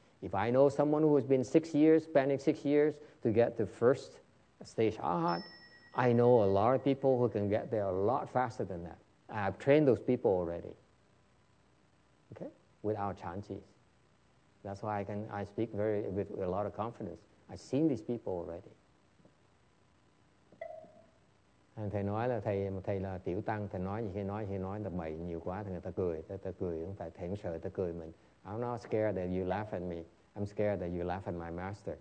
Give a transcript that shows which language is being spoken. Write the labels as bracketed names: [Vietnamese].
[English] If I know someone who has been spending six years to get to first stage arhat, I know a lot of people who can get there a lot faster than that. I've trained those people already. Okay, without chances. That's why I speak with a lot of confidence. I've seen these people already. [Vietnamese] And thầy nói là thầy là tiểu tăng, thầy nói gì khi nói thì nói là bậy nhiều quá thì người ta cười, ta cười không phải thầy không sợ ta cười mình. [English] I'm not scared that you laugh at me. I'm scared that you laugh at my master.